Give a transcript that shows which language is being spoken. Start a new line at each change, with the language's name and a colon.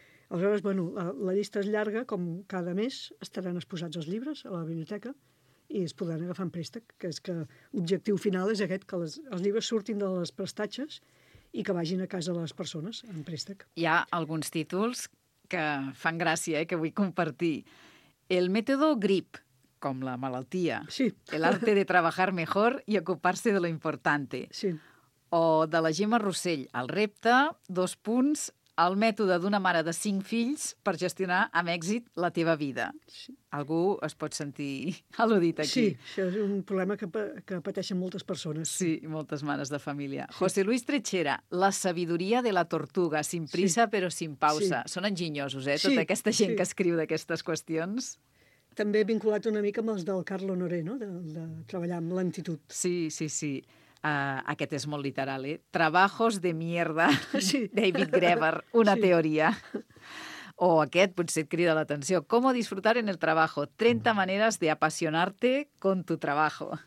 Catalan: Aleshores, bueno, la llista és llarga, com cada mes estaran exposats els llibres a la biblioteca i es podran agafar en préstec, que és que l'objectiu final és aquest, que els llibres surtin de les prestatges i que vagin a casa les persones en préstec. Hi ha alguns títols que fan gràcia, que vull compartir.
Spanish: El método grip,
Catalan: com la malaltia. Sí.
Spanish: El arte de trabajar mejor y ocuparse de lo importante.
Catalan: Sí. O de la Gemma Rossell, el repte, dos punts, el mètode d'una mare de 5 fills per gestionar amb èxit la teva vida. Sí. Algú es pot sentir al·ludit aquí. Sí, això és un problema que pateixen moltes persones. Sí, moltes mares de família.
Spanish: Sí. José Luis Trechera, La sabiduría de la tortuga, sin prisa sí. Pero sin pausa. Sí.
Catalan: Són enginyosos, eh? Tota aquesta gent que escriu d'aquestes qüestions. També vinculat una mica amb els del Carl Honoré, no? De treballar amb lentitud. Sí, sí, sí. Aquest és molt literal, eh?
Spanish: Trabajos de mierda,
Catalan: sí. David Graeber, una teoria. O aquest potser et crida l'atenció.
Spanish: ¿Cómo disfrutar en el trabajo? 30 maneras de apasionarte con tu trabajo.